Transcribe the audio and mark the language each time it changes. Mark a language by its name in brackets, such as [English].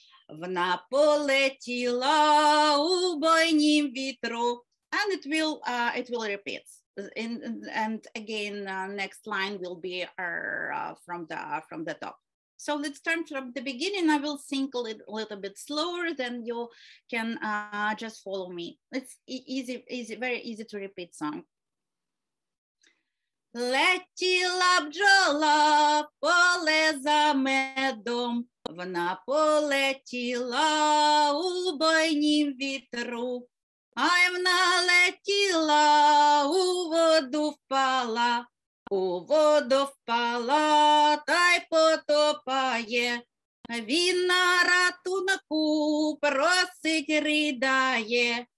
[Ukrainian] Вона полетіла у бойнім вітру. [English] And it will repeat. And again, next line will be from the top. So let's turn from the beginning. I will sing a little bit slower, then you can just follow me. It's easy, very easy to repeat song. [Ukrainian] Летіла бджола в поле за медом, вона полетіла у бойнім вітру, ай вона летіла у воду впала, у воду впала та й потопає, він на ратунку просить ридає.